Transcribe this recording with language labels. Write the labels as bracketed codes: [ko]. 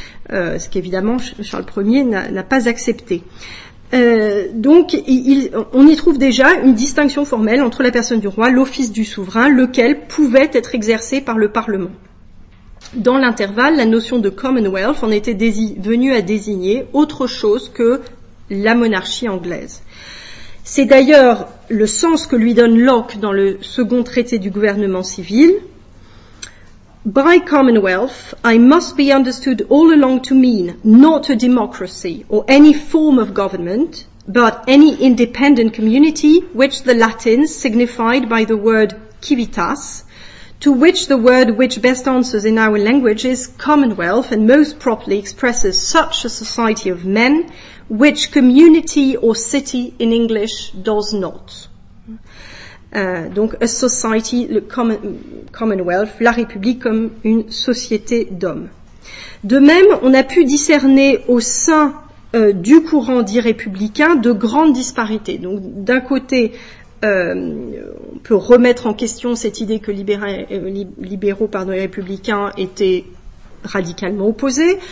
[fr] Ce qu'évidemment Charles Ier n'a pas accepté. On y trouve déjà une distinction formelle entre la personne du roi, l'office du souverain, lequel pouvait être exercé par le Parlement. Dans l'intervalle, la notion de Commonwealth en était venue à désigner autre chose que la monarchie anglaise. C'est d'ailleurs le sens que lui donne Locke dans le second traité du gouvernement civil. [en] By Commonwealth, I must be understood all along to mean not a democracy or any form of government, but any independent community which the Latins signified by the word civitas, to which the word which best answers in our language is Commonwealth and most properly expresses such a society of men which community or city in English does not. [fr] Donc, [en] a society, [fr] le commonwealth, la République comme une société d'hommes. De même, on a pu discerner au sein du courant dit républicain de grandes disparités. Donc, d'un côté, on peut remettre en question cette idée que libéraux et républicains étaient radicalement opposés.